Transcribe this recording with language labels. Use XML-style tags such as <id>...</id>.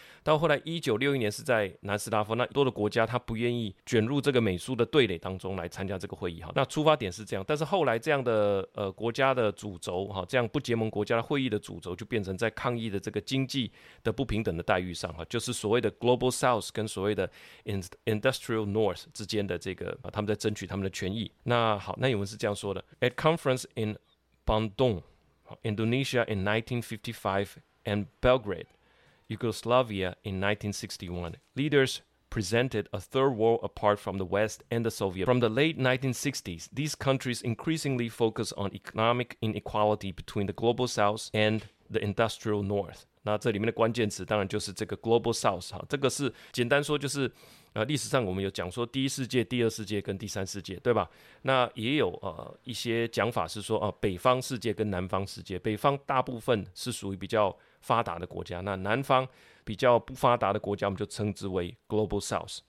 <zh>到后来1961年是在南斯拉夫，那多的国家他不愿意卷入这个美苏的对垒当中来参加这个会议，那出发点是这样。但是后来这样的国家的主轴，这样不结盟国家的会议的主轴就变成在抗议的这个经济的不平等的待遇上，就是所谓的 Global South 跟所谓的 Industrial North 之间的这个他们在争取他们的权益。那好，那有人是这样说的，</zh> <en>At conference in BandungIndonesia in 1955 and Belgrade, Yugoslavia in 1961. Leaders presented a third world apart from the West and the Soviet. From the late 1960s, these countries increasingly focus on economic inequality between the global South and the industrial North.</en> <zh>那这里面的关键词当然就是这个 global South 哈，这个是简单说就是，历史上我们有讲说第一世界、第二世界跟第三世界，对吧？那也有一些讲法是说北方世界跟南方世界，北方大部分是属于比较发达的国家，那南方比较不发达的国家，我们就称之为 global South。</zh>